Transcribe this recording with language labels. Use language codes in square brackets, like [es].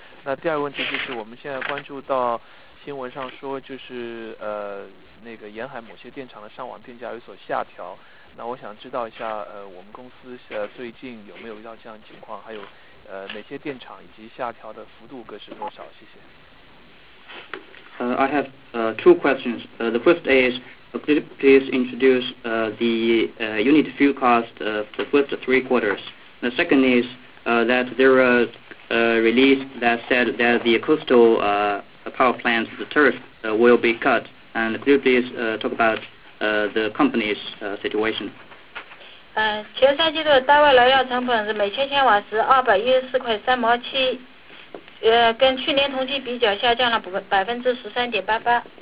[zh] 那第二个问题就是我们现在关注到新闻上说，就是那个沿海某些电厂的上网电价有所下调，那我想知道一下我们公司最近有没有遇到这样的情况，还有哪些电厂以及下调的幅度各是多少，谢谢。 [en] I have two questions. The first is, could you please introduce the unit fuel cost of the first three quarters? The second is that there was a release that said that the coastal power plants, the tariff, will be cut. And could you please talk about the company's situation? [zh] 前三季度单位燃料成本是每千千瓦时214.37。跟去年同期比较下降了13.88%。